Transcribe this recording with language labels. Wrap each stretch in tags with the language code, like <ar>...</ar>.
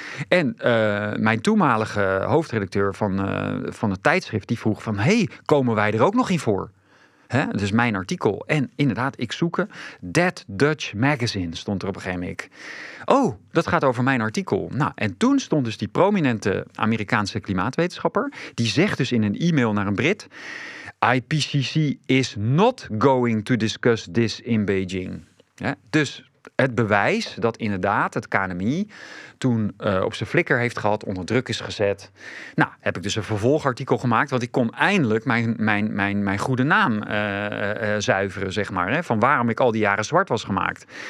<nl>En mijn toenmalige hoofdredacteur van het tijdschrift, die vroeg van, hey, komen wij er ook nog in voor? Hè? Dus mijn artikel. En inderdaad, ik zoeken. That Dutch Magazine stond er op een gegeven moment. Oh, dat gaat over mijn artikel. Nou, en toen stond dus die prominente Amerikaanse klimaatwetenschapper. Die zegt dus in een e-mail naar een Brit.</nl> <en>IPCC is not going to discuss this in Beijing.</en> <nl>Hè? Dus... het bewijs dat inderdaad het KNMI toen op zijn flikker heeft gehad, onder druk is gezet. Nou, heb ik dus een vervolgartikel gemaakt, want ik kon eindelijk mijn goede naam zuiveren, zeg maar. Hè, van waarom ik al die jaren zwart was gemaakt.</nl>